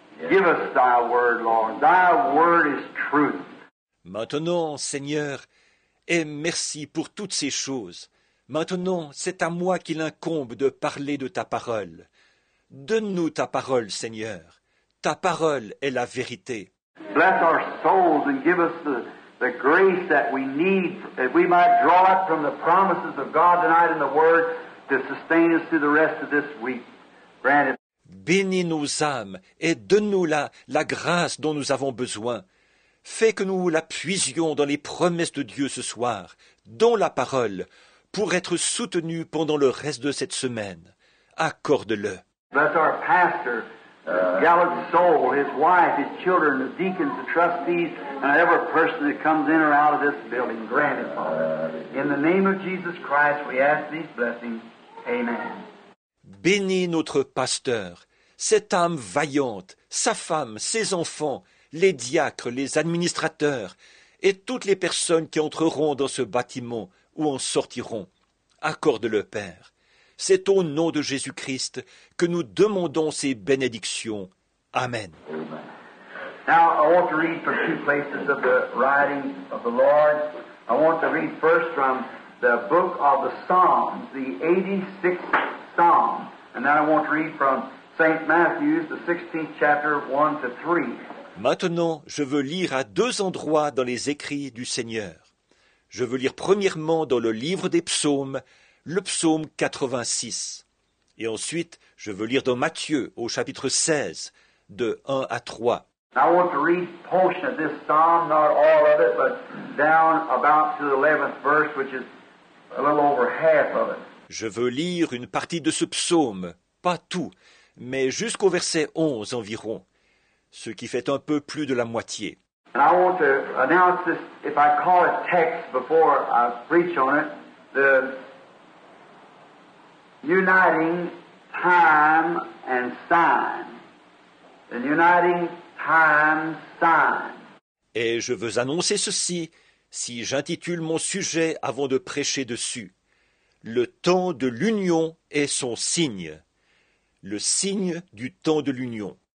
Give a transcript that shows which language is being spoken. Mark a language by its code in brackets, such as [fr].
[en] Give us thy word, Lord. Thy word is truth. [fr] Maintenant, Seigneur, et merci pour toutes ces choses. Maintenant, c'est à moi qu'il incombe de parler de ta parole. Donne-nous ta parole, Seigneur. Ta parole est la vérité. [en] Bless our souls and give us the grace that we need, that we might draw it from the promises of God tonight in the Word to sustain us through the rest of this week. Grant it. [fr] Bénis nos âmes et donne-nous la grâce dont nous avons besoin. Fais que nous la puisions dans les promesses de Dieu ce soir, dans la parole, pour être soutenus pendant le reste de cette semaine. Accorde-le. [en] Bless our pastor, gallant soul, his wife, his children, the deacons, the trustees, and every person that comes in or out of this building. Grant it, Father. In the name of Jesus Christ, we ask these blessings. Amen. [fr] Bénis notre pasteur, cette âme vaillante, sa femme, ses enfants, les diacres, les administrateurs et toutes les personnes qui entreront dans ce bâtiment ou en sortiront. Accorde-le, Père. C'est au nom de Jésus-Christ que nous demandons ces bénédictions. Amen. [en] Now, I want to read from two places of the writing of the Lord. I want to read first from the book of the Psalms, the 86th Psalm. And then I want to read from St. Matthew's, the 16th chapter, 1 to 3. [fr] Maintenant, je veux lire à deux endroits dans les écrits du Seigneur. Je veux lire premièrement dans le livre des psaumes, le psaume 86. Et ensuite, je veux lire dans Matthieu, au chapitre 16, de 1 à 3. [en] I want to read a portion of this psalm, not all of it, but down about to the 11th verse, which is a little over half of it. [fr] Je veux lire une partie de ce psaume, pas tout, mais jusqu'au verset 11 environ, ce qui fait un peu plus de la moitié. [en] And I want to announce this, if I call it text before I preach on it, the uniting time and sign. The uniting time sign. [fr] Et je veux annoncer ceci, si j'intitule mon sujet avant de prêcher dessus. Le temps de l'union est son signe. Le signe du temps de l'union.